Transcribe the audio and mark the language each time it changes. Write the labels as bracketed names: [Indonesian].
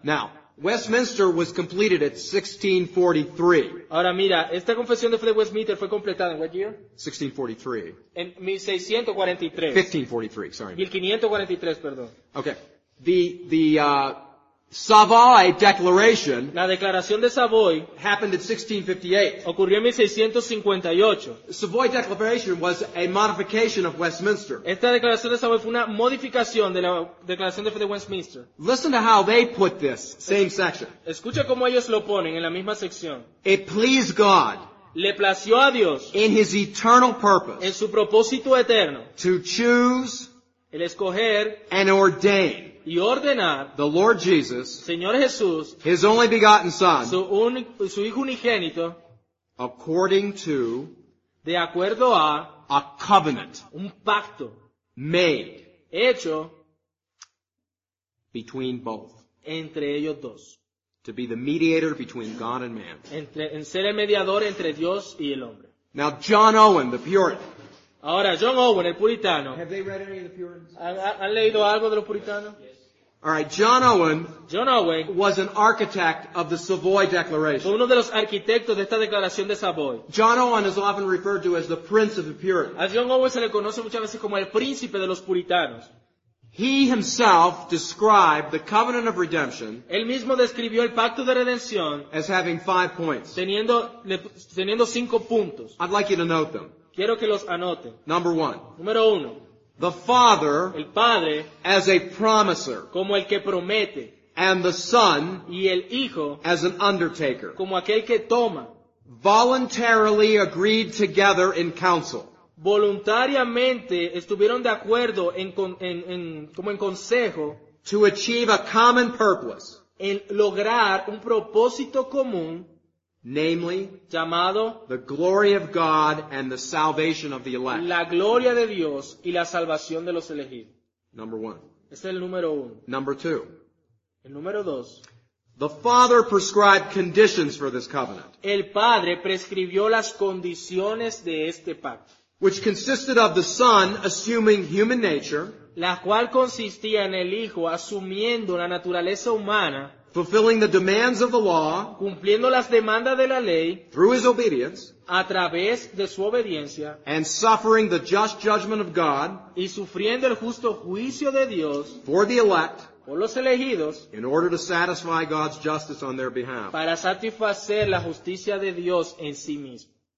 [English] Now, Westminster was completed at 1643. [Spanish] Ahora mira, esta confesión de fe de Westminster fue completada en [English] what year? 1643. [Spanish] En 1643. [English] 1543, sorry. [Spanish] 1543, perdón. [English] Okay. The Savoy Declaration, [Spanish] la declaración de Savoy, [English] happened in 1658. [Spanish] Ocurrió en 1658. [English] Savoy Declaration was a modification of Westminster. [Spanish] Esta declaración de Savoy fue una modificación de la declaración de fe de Westminster. [English] Listen to how they put this same section. [Spanish] Escucha cómo ellos lo ponen en la misma sección. [English] It pleased God, [Spanish] le plació a Dios, [English] in his eternal purpose, [Spanish] en su propósito eterno, [English] to choose, [Spanish] el escoger, [English] and ordain, [Spanish] y ordenar, [English] the Lord Jesus, [Spanish] Señor Jesús, [English] his only begotten Son, [Spanish] su hijo unigénito, [English] according to, [Spanish] de acuerdo a, [English] a covenant, [Spanish] un pacto, [English] made, [Spanish] hecho, [English] between both, [Spanish] entre ellos dos, [English] to be the mediator between God and man, [Spanish] en ser el mediador entre Dios y el hombre. [English] Now John Owen, the Puritan. [Spanish] Ahora, John Owen, el puritano. [English] Have they read any of the Puritans? [Spanish] ¿Han leído algo de los puritanos? [English] Yes. All right, John Owen, [Spanish] John Owen [English] was an architect of the Savoy Declaration. [Spanish] Fue uno de los arquitectos de esta declaración de Savoy. [English] John Owen is often referred to as the Prince of the Puritans. [Spanish] A John Owen se le conoce muchas veces como el príncipe de los puritanos. [English] He himself described the covenant of redemption, [Spanish] él mismo describió el pacto de redención, [English] as having 5 points. [Spanish] Teniendo 5 puntos. [English] I'd like you to note them. [Spanish] Quiero que los anoten. [English] Number one. [Spanish] Número uno. [English] The Father, [Spanish] el Padre, [English] as a promiser, [Spanish] como el que promete, [English] and the Son, [Spanish] y el Hijo, [English] as an undertaker, [Spanish] como aquel que toma, [English] voluntarily agreed together in council. [Spanish] Voluntariamente estuvieron de acuerdo en consejo, [English] to achieve a common purpose, [Spanish] en lograr un propósito común, [English] namely, [Spanish] llamado, [English] the glory of God and the salvation of the elect. [Spanish] La gloria de Dios y la salvación de los elegidos. [English] Number one. [Spanish] Este es el número uno. [English] Number two. [Spanish] El número dos. [English] The Father prescribed conditions for this covenant. [Spanish] El Padre prescribió las condiciones de este pacto. [English] Which consisted of the Son assuming human nature, [Spanish] la cual consistía en el Hijo asumiendo la naturaleza humana, [English] fulfilling the demands of the law, [Spanish] cumpliendo las demandas de la ley, [English] through his obedience, [Spanish] a través de su obediencia, [English] and suffering the just judgment of God, [Spanish] y sufriendo el justo juicio de Dios, [English] for the elect, [Spanish] por los elegidos, [English] in order to satisfy God's justice on their behalf, [Spanish] para satisfacer la justicia de Dios en sí mismo.